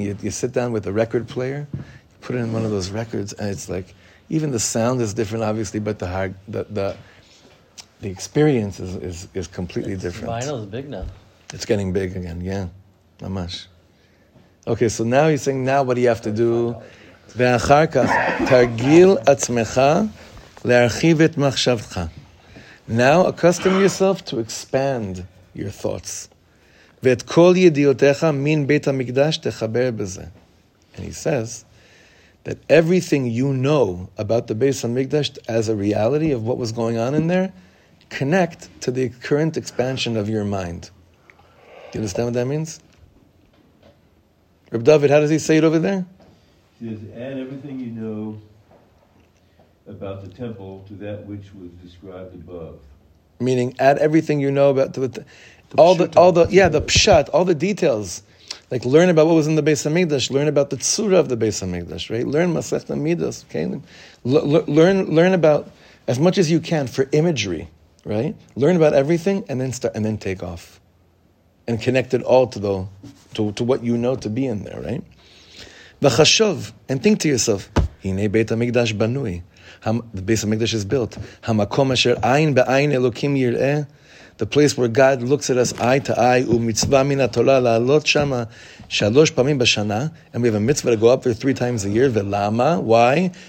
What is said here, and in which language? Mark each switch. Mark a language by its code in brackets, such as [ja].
[en] You sit down with a record player, you put it in one of those records, and it's like even the sound is different, obviously, but the experience is completely different. Vinyl is big now. It's getting big again, yeah, mamash. Okay, so now you're saying now what do you have to do? [he] ואחר כך, תרגיל עצמך להרחיב את מחשבתך. [en] Now, accustom yourself to expand your thoughts. [he] ואת כל ידיעותיך מן בית המקדש תחבר בזה. [en] And he says that everything you know about the Beis HaMikdash as a reality of what was going on in there, connect to the current expansion of your mind. Do you understand what that means? Reb David, how does he say it over there? Says, add everything you know about the temple to that which was described above. Meaning, add everything you know about the pshat, all the details. Like, learn about what was in the Beis HaMikdash, learn about the tzura of the Beis HaMikdash, right? Learn Masechta Midos, okay? Learn about, as much as you can, for imagery, right? Learn about everything and then start, and then take off. And connect it all to what you know to be in there, right? [he] וחשוב, [en] and think to yourself, [he] הנה בית המקדש בנוי, [en] the Beis HaMikdash is built, [he] המקום אשר עין בעין אלוקים יראה, [en] the place where God looks at us eye to eye, [he] ומצווה מן התורה לעלות שמה שלוש פעמים בשנה, [en] and we have a mitzvah to go up there 3 times a year, [he] ולמה, [en] why?